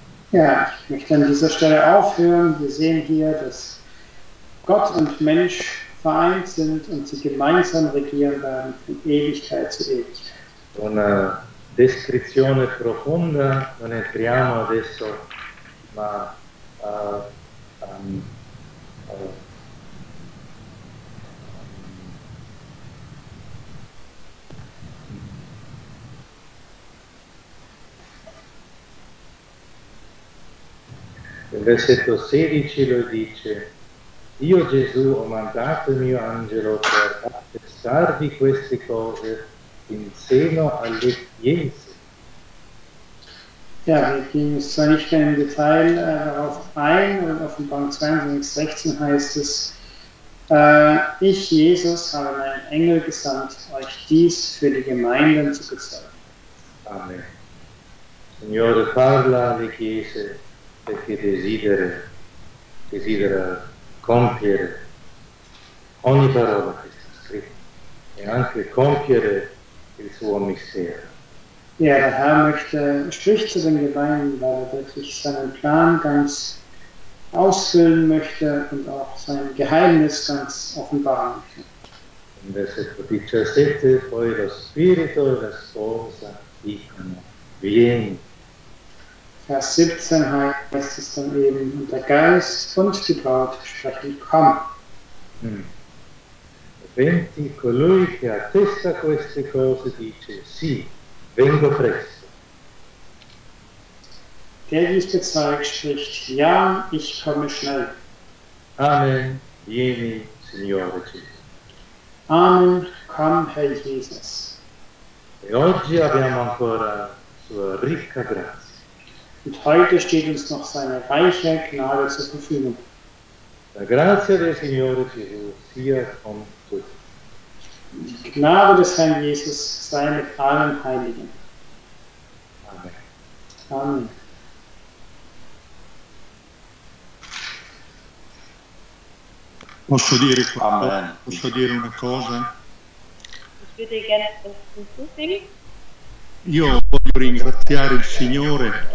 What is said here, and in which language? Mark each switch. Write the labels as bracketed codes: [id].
[de] Ja, ich möchte an dieser Stelle aufhören. Wir sehen hier, dass Gott und Mensch vereint sind und sie gemeinsam regieren werden von Ewigkeit zu Ewigkeit. [it] Una descrizione profonda, non entriamo adesso, ma um, Il versetto 16 lo dice: Io Gesù ho mandato il mio angelo per attestarvi queste cose in seno alle chiese. [de] Ja, wir gehen jetzt zwar nicht mehr im Detail darauf ein, aber Offenbarung 22, 16 heißt es, ich, Jesus, habe meinen Engel gesandt, euch dies für die Gemeinden zu bezeugen. Amen. [it] Signore, parla alle chiese, perché desidera compiere ogni parola che sta scritta e anche compiere il suo mistero. [de] Ja, der Herr möchte, spricht zu den Gemeinden, weil er wirklich seinen Plan ganz ausfüllen möchte und auch sein Geheimnis ganz offenbaren möchte. [it] In versetto 17, poi lo Spirito e la Sposa dicono, vieni. [de] Vers 17 heißt es dann eben, und der Geist und die Braut sprechen, komm. [it] Venti, colui che attesta queste cose dice, sì. Vengo presto. [de] Der dies bezeugt, spricht, ja, ich komme schnell. [it] Amen, vieni, Signore Gesù. [de] Amen, komm, Herr Jesus. [it] E oggi abbiamo ancora sua ricca grazia. [de] Und heute steht uns noch seine reiche Gnade zur Verfügung. [it] La grazia del Signore Gesù sia con tutti. [de] Die Gnade des Herrn Jesus sei mit allen Heiligen. Amen. Amen. [it] Posso dire qualcosa? Amen. Posso dire una cosa? [de] Ich würde gerne etwas hinzufügen. [it] Io voglio ringraziare il Signore.